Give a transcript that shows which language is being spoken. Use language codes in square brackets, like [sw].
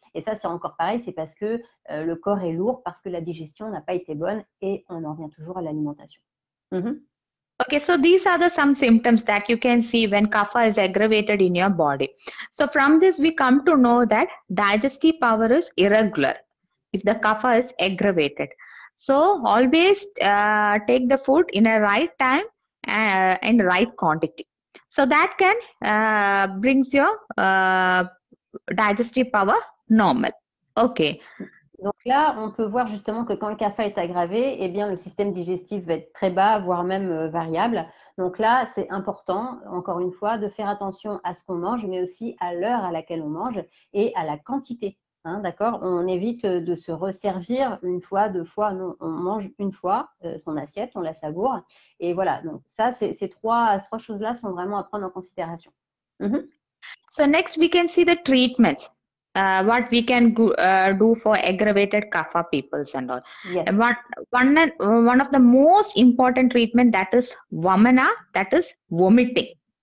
[fr] Et ça, c'est encore pareil, c'est parce que le corps est lourd, parce que la digestion n'a pas été bonne et on en revient toujours à l'alimentation. [en] Okay, so these are the some symptoms that you can see when Kapha is aggravated in your body. So from this we come to know that digestive power is irregular if the Kapha is aggravated. So always take the food in a right time and right quantity. So that can brings your digestive power normal. Okay. [fr] Donc là, on peut voir justement que quand le CAFA est aggravé, eh bien, le système digestif va être très bas, voire même variable. Donc là, c'est important, encore une fois, de faire attention à ce qu'on mange, mais aussi à l'heure à laquelle on mange et à la quantité. Hein, d'accord? On évite de se resservir une fois, deux fois. Non, on mange une fois son assiette, on la savoure. Et voilà, donc ça, ces trois choses-là sont vraiment à prendre en considération. [en] So next we can see the treatments, what we can do for aggravated Kapha peoples and all. Yes. One of the most important treatment that is vamana, that is vomiting.